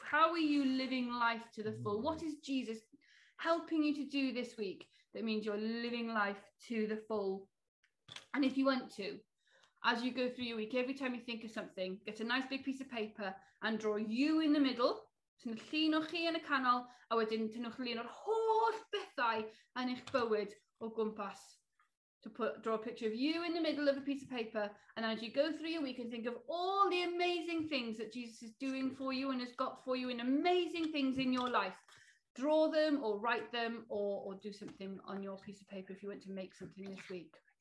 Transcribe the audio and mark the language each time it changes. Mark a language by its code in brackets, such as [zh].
[en] How are you living life to the full? What is Jesus helping you to do this week that means you're living life to the full? And if you want to, as you go through your week, every time you think of something, get a nice big piece of paper and draw you in the middle. [cy] Sy'n llun o'ch chi yn y canol, a wedyn tynnwch llun o'r holl bethau yn eich bywyd o gwmpas. [en] To put, draw a picture of you in the middle of a piece of paper, and as you go through your week and think of all the amazing things that Jesus is doing for you and has got for you, and amazing things in your life. Draw them or write them or do something on your piece of paper if you want to make something this week.